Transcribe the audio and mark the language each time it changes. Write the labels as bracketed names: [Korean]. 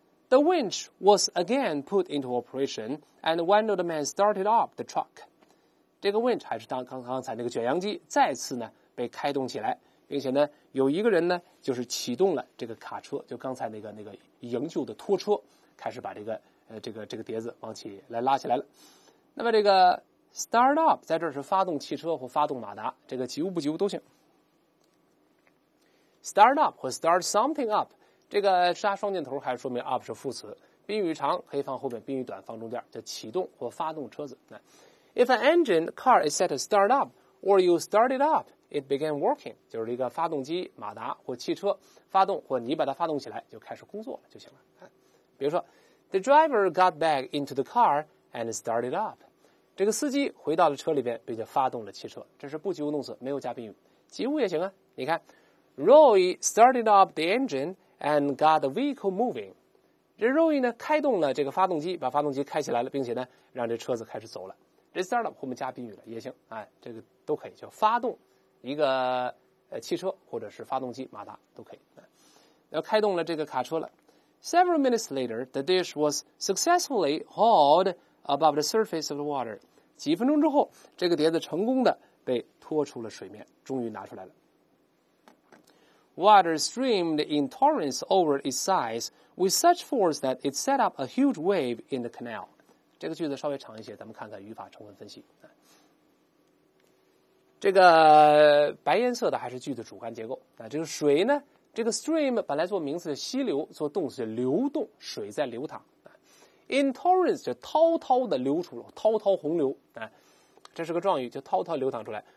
[English] The winch was again put into operation, and one of the men started up the truck. [Chinese] 这个 winch 还是当刚才那个卷扬机再次呢被开动起来。并且呢有一个人呢就是启动了这个卡车，就刚才那个营救的拖车，开始把这个碟子往起来拉起来了。那么这个 start up 在这儿是发动汽车或发动马达，这个急务不急务都行。 start up 或 start something up， 这个加双箭头还说明 up 是副词，宾语长可以放后面，宾语短放中间，叫启动或发动车子。 [English] If an engine car is set to start up or you start it up it began working， [Chinese] 就是一个发动机马达或汽车发动或你把它发动起来就开始工作了就行了。比如说 [English] The driver got back into the carAnd started up， [Chinese] 这个司机回到了车里边，并且发动了汽车。这是不及物动词，没有加宾语，及物也行啊。你看 [English] ，Roy started up the engine and got the vehicle moving。 [Chinese] 这 Roy 呢，开动了这个发动机，把发动机开起来了，并且呢，让这车子开始走了。这 start up 后面加宾语了也行，哎，这个都可以，就发动一个汽车或者是发动机马达都可以。要开动了这个卡车了。 [English] Several minutes later, the dish was successfully hauled above the surface of the water. [Chinese] 几分钟之后，这个碟子成功的被拖出了水面，终于拿出来了。 [English] Water streamed in torrents over its sides with such force that it set up a huge wave in the canal. [Chinese] 这个句子稍微长一些，咱们看看语法成分分析。这个白颜色的还是句子主干结构，那这个水呢？这个 stream 本来做名词的溪流，做动词的流动，水在流淌。 In torrents 就滔滔的流出了，滔滔洪流，这是个状语，就滔滔流淌出来。